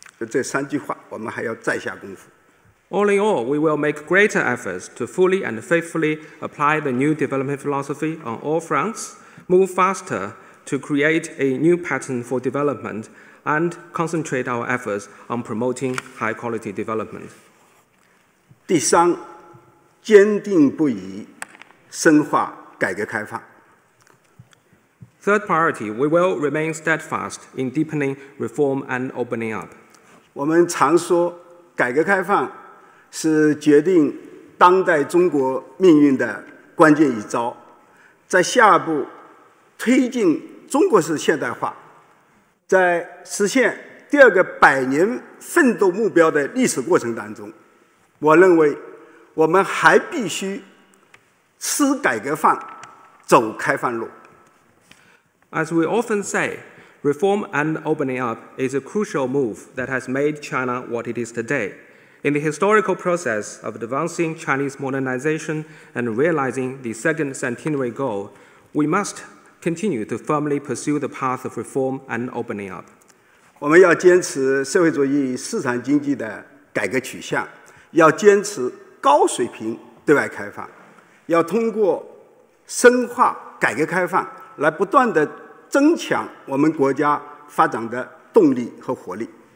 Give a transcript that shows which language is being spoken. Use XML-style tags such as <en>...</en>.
<zh>这三句话我们还要再下功夫。</zh> <en>All in all, we will make greater efforts to fully and faithfully apply the new development philosophy on all fronts, move faster to create a new pattern for development, and concentrate our efforts on promoting high quality development.</en> <zh>第三，坚定不移深化改革开放。</zh> <en>Third priority, we will remain steadfast in deepening reform and opening up.</en> <zh>我们常说改革开放是决定当代中国命运的关键一招，在下一步推进中国式现代化，在实现第二个百年奋斗目标的历史过程当中，我认为我们还必须吃改革饭，走开放路。</zh> <en>As we often say, reform and opening up is a crucial move that has made China what it is today. In the historical process of advancing Chinese modernization and realizing the second centenary goal, we must continue to firmly pursue the path of reform and opening up.</en> <zh>我们要坚持社会主义市场经济的改革取向，要坚持高水平对外开放，要通过深化改革开放来不断地增强我们国家发展的动力和活力。</zh>